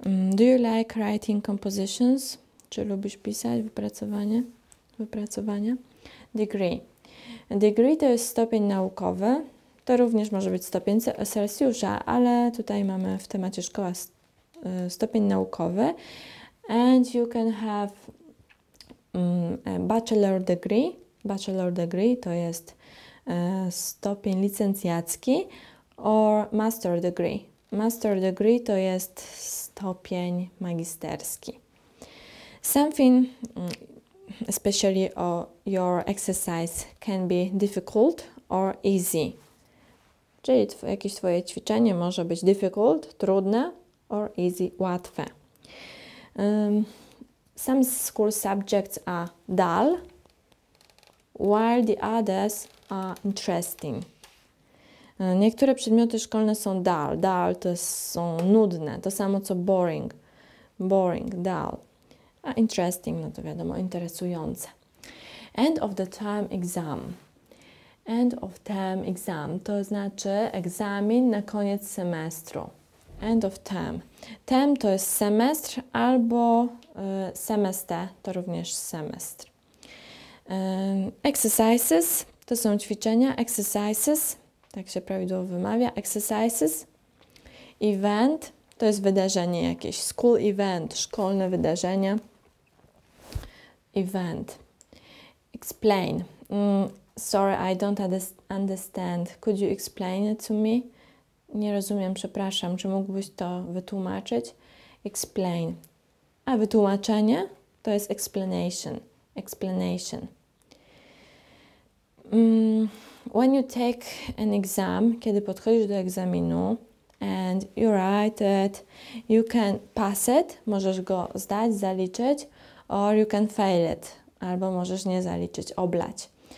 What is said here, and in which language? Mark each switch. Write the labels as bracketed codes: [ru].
[en] Do you like writing compositions? [pl] Czy lubisz pisać wypracowanie? Degree. Degree to jest stopień naukowy. To również może być stopień Celsjusza, ale tutaj mamy w temacie szkoła stopień naukowy. [en] And you can have a bachelor degree. [pl] Bachelor degree to jest stopień licencjacki. [en] Or master degree. [pl] Master degree to jest stopień magisterski. [en] Something especially your exercise can be difficult or easy. [pl] Czyli jakieś twoje ćwiczenie może być difficult, trudne, or easy, łatwe. [en] Some school subjects are dull, while the others are interesting. [pl] Niektóre przedmioty szkolne są dull. Dull to są nudne. To samo co boring. Boring, dull. A interesting, no to wiadomo, interesujące. [en] End of the term exam. End of term exam [pl] to znaczy egzamin na koniec semestru. [en] End of term. [pl] Term to jest semestr albo semester to również semestr. Exercises to są ćwiczenia. Exercises, tak się prawidłowo wymawia. Exercises. Event to jest wydarzenie jakieś. School event, szkolne wydarzenie. [en] Event. Explain. Sorry, I don't understand. Could you explain it to me? [pl] Nie rozumiem, przepraszam. Czy mógłbyś to wytłumaczyć? Explain. A wytłumaczenie to jest explanation. Explanation. [en] When you take an exam, [pl] kiedy podchodzisz do egzaminu [en] and you write it, you can pass it, [pl] możesz go zdać, zaliczyć, [en] or you can fail it, [pl] albo możesz nie zaliczyć, oblać.